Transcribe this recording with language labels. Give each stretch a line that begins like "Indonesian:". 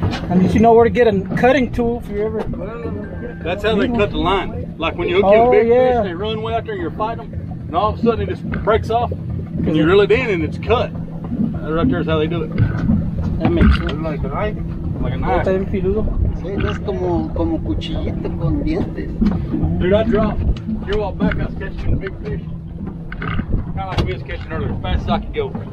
English: And did you know where to get a cutting tool if you ever... That's how they cut the line. Like when you hook your big fish and they run way out there and you're fighting them, and all of a sudden it just breaks off, and you reel it in and it's cut. That right there is how they do it. That makes sense. Like a knife. Like a knife.
Spanish: ¿Está bien filudo? Sí, es como cuchillito con dientes.
English: Dude, I dropped. You walk back, I was catching a big fish. Kind of like we was catching earlier, fast as I could go.